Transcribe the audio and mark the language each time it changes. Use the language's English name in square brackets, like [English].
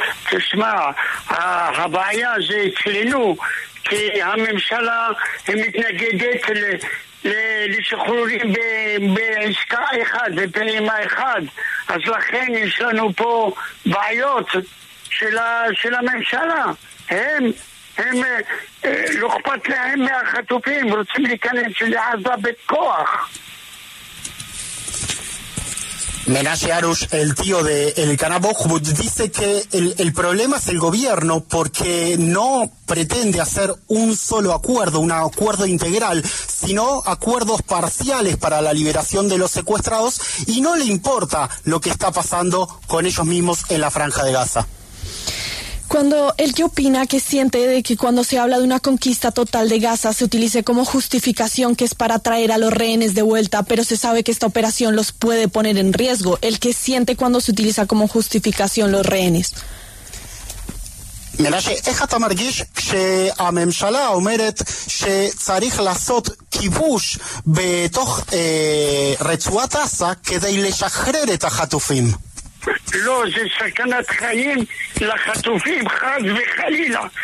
[Hebrew] תשמע, הבעיה זה אצלנו, כי הממשלה היא מתנגדת לשחרורים בעסקה אחד, בפעימה אחד. אז לכן יש לנו פה בעיות של הממשלה. הם לא אכפת להם מהחטופים, רוצים להיכנס לעזה בכוח. [Spanish] Menashe Harush, el tío de Elkana Bohbot, dice que el problema es el gobierno porque no pretende hacer un solo acuerdo, un acuerdo integral, sino acuerdos parciales para la liberación de los secuestrados y no le importa lo que está pasando con ellos mismos en la Franja de Gaza. Cuando él, ¿qué opina, qué siente de que cuando se habla de una conquista total de Gaza se utilice como justificación que es para traer a los rehenes de vuelta, pero se sabe que esta operación los puede poner en riesgo? ¿El qué siente cuando se utiliza como justificación los rehenes? [Hebrew] מנשה, איך אתה מרגיש כשהממשלה אומרת שצריך לעשות כיבוש בתוך רצועת עזה כדי לשחרר את החטופים? לא, זה סכנת חיים לחטופים, חז וחלילה.